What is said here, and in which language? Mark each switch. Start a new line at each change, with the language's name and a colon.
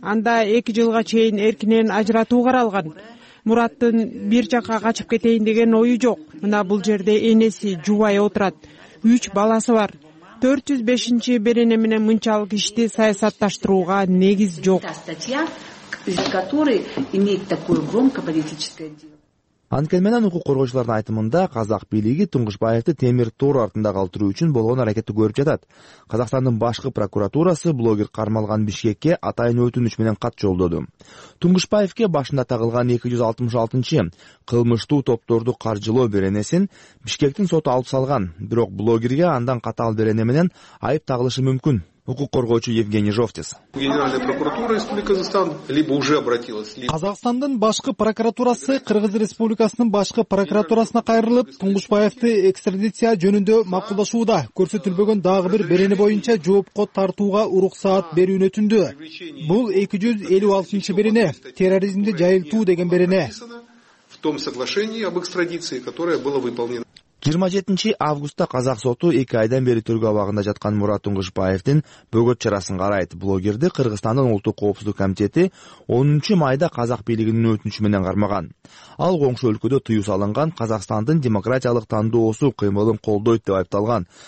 Kyrgyz: Анда 2 жылга чейин эркинен ажыратуу каралган. Мураттын бир жака качып кетейин деген ою жок. Мына бул жерде энеси, жубайы отурат. 3 баласы бар. 405 берени менен мынчалык ишти саясатташтырууга негиз жок.
Russian: из которой имеет такое громкое политическое дело.
Kyrgyz: Анкен менен укук коргоочулардын айтымында казак бийлиги Тунгушбаевди темир тор артында калтыруу үчүн болгон аракетти көрүп жатат. Казакстандын башкы прокуратурасы блогер кармалган Бишкекке атайын өтүнүч менен кат жолдоду. Тунгушбаевке башында тагылган 266 кылмыштуу топторду каржылоо беренесин Бишкектин соту алып салган, бирок блогерге андан катаал берене менен айып тагылышы мүмкүн. Укук коргоочу Евгений Жовтис.
Russian: Генеральная прокуратура Республики Казахстан либо уже обратилась.
Kyrgyz: Казахстандын башкы прокуратурасы Кыргыз Республикасынын башкы прокуратурасына кайрылып, Тунгушбаевди экстрадиция жөнүндө макулдашууда көрсөтүлбөгөн дагы бир берене боюнча жоопко тартууга уруксаат берүүнү өтүндү. Бул 256 берене, терроризмди жайылтуу деген берене.
Russian: В том соглашении об экстрадиции, которое было выполнено
Kyrgyz: 27 августта казак соту 2 айдан бери тергөө абагында жаткан Мурат Тунгушбаевдин бөгөт чарасын карайт. Блогерди Кыргызстандын улуттук коопсуздук комитети 10 майда казак бийлигинин өтүнүчү менен кармаган. Ал коңшу өлкөдө тыюу салынган Казакстандын демократиялык тандоосу кыймылын колдойт деп айыпталган.